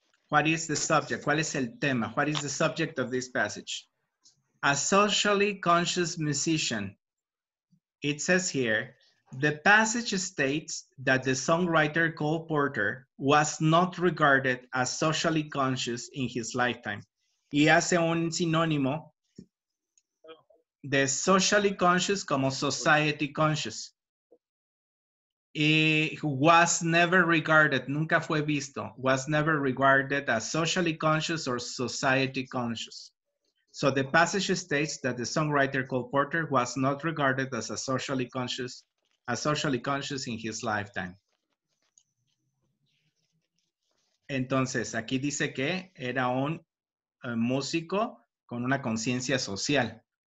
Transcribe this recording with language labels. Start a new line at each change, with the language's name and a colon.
English: What is the subject?
Spanish: ¿Cuál es el tema?
English: What is the subject of this passage? A socially conscious musician. It says here, the passage states that the songwriter Cole Porter was not regarded as socially conscious in his lifetime.
Spanish: Y hace un sinónimo de
English: socially conscious
Spanish: como
English: society conscious. He was never regarded,
Spanish: nunca fue visto,
English: was never regarded as socially conscious or society conscious. So the passage states that the songwriter Cole Porter was not regarded as socially conscious in his lifetime.
Spanish: Entonces, aquí dice que era un músico con una conciencia social.